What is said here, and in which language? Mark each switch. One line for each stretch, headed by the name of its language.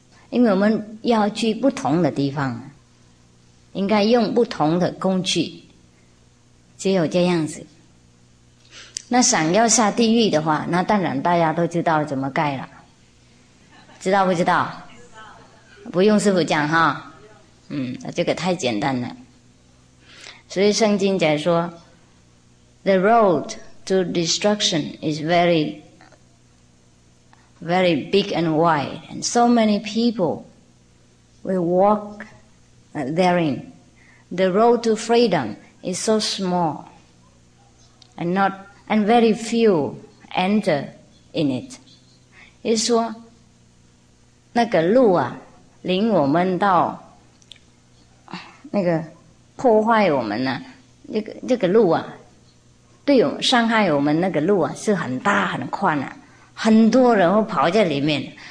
Chinese: 因为我们要去不同的地方，应该用不同的工具，只有这样子。那想要下地狱的话，那当然大家都知道怎么盖了，知道不知道？不用师父讲哈，这个太简单了。所以圣经讲说
English: The road to destruction is very very big and wide, and so many people will walk therein. The road to freedom is so small and very few enter in it.
Chinese: 就是说那个路啊，领我们到那个破坏我们呢、啊，这个路啊，对有伤害我们那个路啊，是很大很宽啊，很多人会跑在里面。